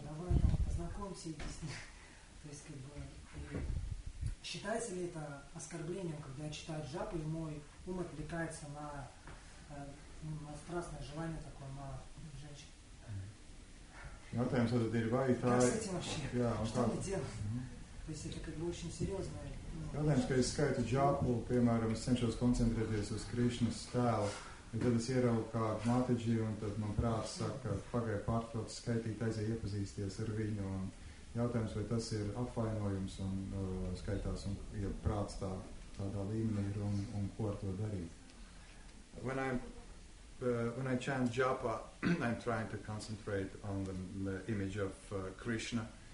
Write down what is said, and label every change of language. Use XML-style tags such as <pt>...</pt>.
<ru>Давай там познакомься с ним. То есть, как бы, считается ли это оскорблением, когда я читаю джапу, и мой ум отвлекается на страстное желание такое, на женщин? Ну, там что-то деревая и тая. Как с этим вообще? Что мне делать? То есть, это как бы очень серьезное.</ru> <lv>Jautājums, ka es skaitu džapu, piemēram, es cenšos koncentrēties uz Krišnas tēlu, un tad es ieraugu kādu Matiģi, un tad man prāts saka, ka pagāja pārtraukt skaitīt, aizie iepazīsties ar viņu, un Jautājums, vai tas ir apvainojums un skaitās un ja prāts tā, tādā līmenī ir un, un ko ar to darīt?</lv> <en>When I chant japa, I'm trying to concentrate on the image of Krishna.</en>